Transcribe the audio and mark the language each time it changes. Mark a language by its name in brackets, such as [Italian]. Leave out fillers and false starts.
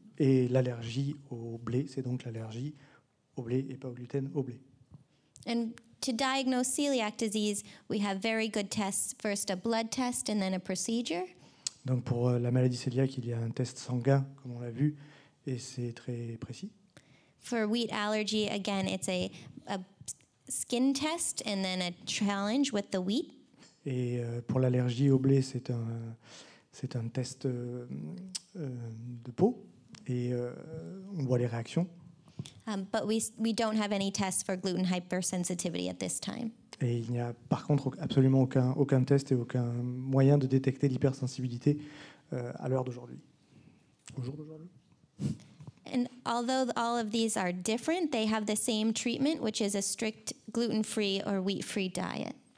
[French] Et l'allergie au blé, c'est donc l'allergie au blé et pas au gluten, au blé. [English] And to diagnose celiac disease, we have very good tests. First a blood test and then a procedure. [French] Donc pour la maladie cœliaque, il y a un test sanguin, comme on l'a vu, et c'est très précis. [English] For wheat allergy, again, it's a skin test and then a challenge with the wheat. [French] Et pour l'allergie au blé, c'est un test de peau. Et on voit les réactions. [English] But we don't have any tests for gluten hypersensitivity at this time. [French] Et il n'y a par contre absolument aucun test et aucun moyen de détecter l'hypersensibilité à l'heure d'aujourd'hui. Au jour d'aujourd'hui. [English] And although all of these are different, they have the same treatment, which is a strict gluten-free or wheat-free diet.